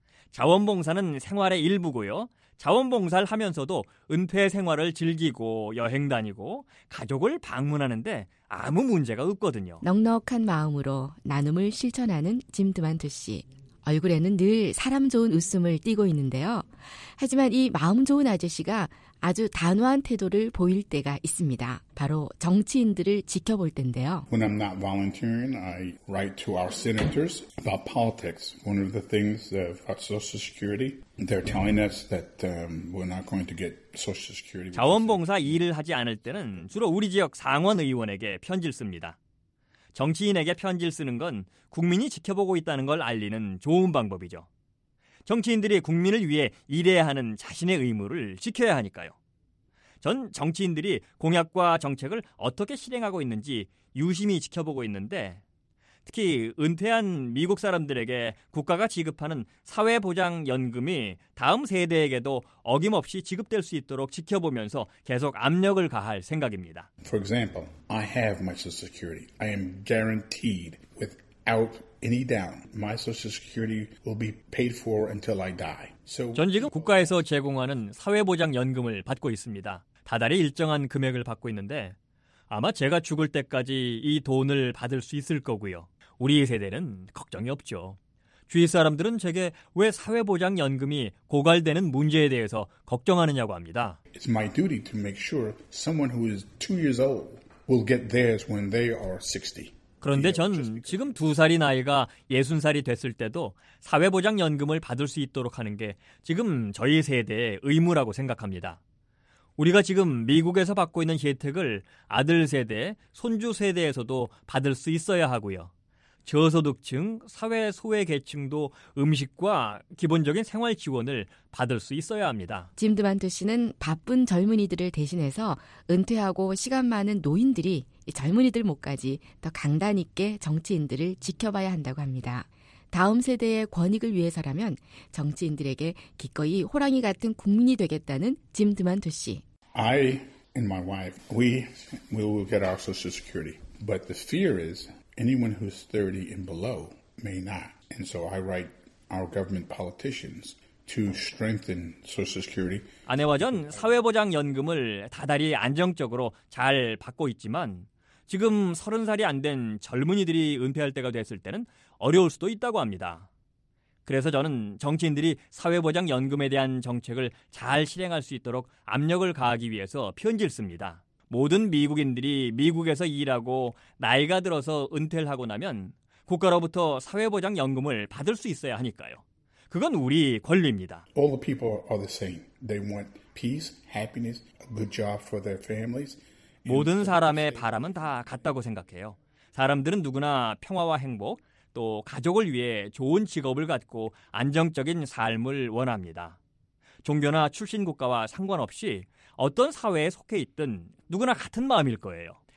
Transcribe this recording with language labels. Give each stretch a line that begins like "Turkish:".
Korean: 자원봉사는 생활의 일부고요. 자원봉사를 하면서도 은퇴 생활을 즐기고 여행 다니고 가족을 방문하는데 아무 문제가 없거든요. 넉넉한 마음으로 나눔을 실천하는 짐 드만토 씨. 얼굴에는 늘 사람 좋은 웃음을 띠고 있는데요. 하지만 이 마음 좋은 아저씨가 아주 단호한 태도를 보일 때가 있습니다. 바로 정치인들을 지켜볼 때인데요.
English: When I'm not volunteering, I write to our senators about politics. One of the things about Social Security, they're telling us that we're not going to get Social Security.
Korean: 자원봉사 일을 하지 않을 때는 주로 우리 지역 상원 의원에게 편지를 씁니다. 정치인에게 편지를 쓰는 건 국민이 지켜보고 있다는 걸 알리는 좋은 방법이죠. 정치인들이 국민을 위해 일해야 하는 자신의 의무를 지켜야 하니까요. 전 정치인들이 공약과 정책을 어떻게 실행하고 있는지 유심히 지켜보고 있는데 특히 은퇴한 미국 사람들에게 국가가 지급하는 사회보장연금이 다음 세대에게도 어김없이 지급될 수 있도록 지켜보면서 계속 압력을 가할 생각입니다.
English: For example, I have my Social Security. I am guaranteed without any doubt, my Social Security will be paid for until I die.
Korean: So 전 지금 국가에서 제공하는 사회보장연금을 받고 있습니다. 다달이 일정한 금액을 받고 있는데 아마 제가 죽을 때까지 이 돈을 받을 수 있을 거고요. 우리 세대는 걱정이 없죠. 주위 사람들은 제게 왜 사회보장연금이 고갈되는 문제에 대해서 걱정하느냐고 합니다.
English: It's my duty to make sure someone who is 2 years old will get theirs when they are 60.
Korean: 그런데 전 지금 2살이 나이가 60살이 됐을 때도 사회보장연금을 받을 수 있도록 하는 게 지금 저희 세대의 의무라고 생각합니다. 우리가 지금 미국에서 받고 있는 혜택을 아들 세대, 손주 세대에서도 받을 수 있어야 하고요. 저소득층, 사회 소외계층도 음식과 기본적인 생활 지원을 받을 수 있어야 합니다. 짐 드만토 씨는 바쁜 젊은이들을 대신해서 은퇴하고 시간 많은 노인들이 젊은이들 몫까지 더 강단 있게 정치인들을 지켜봐야 한다고 합니다. 다음 세대의 권익을 위해서라면 정치인들에게 기꺼이 호랑이 같은 국민이 되겠다는 짐 드만토 씨.
English: I and my wife, we will get our Social Security. But the fear is anyone who's 30 and below may not. And so I write our government politicians to strengthen Social Security.
Korean: 아내와 전 사회보장연금을 다달이 안정적으로 잘 받고 있지만 지금 30살이 안 된 젊은이들이 은퇴할 때가 됐을 때는 어려울 수도 있다고 합니다. 그래서 저는 정치인들이 사회보장연금에 대한 정책을 잘 실행할 수 있도록 압력을 가하기 위해서 편지를 씁니다. 모든 미국인들이 미국에서 일하고 나이가 들어서 은퇴를 하고 나면 국가로부터 사회보장연금을 받을 수 있어야 하니까요. 그건 우리 권리입니다.
English: All the people are the same. They want peace, happiness, a good job for their families.
Korean: 모든 사람의 바람은 다 같다고 생각해요. 사람들은 누구나 평화와 행복, 또 가족을 위해 좋은 직업을 갖고 안정적인 삶을 원합니다. 종교나 출신 국가와 상관없이 어떤 사회에 속해 있든 누구나 같은 마음일 거예요.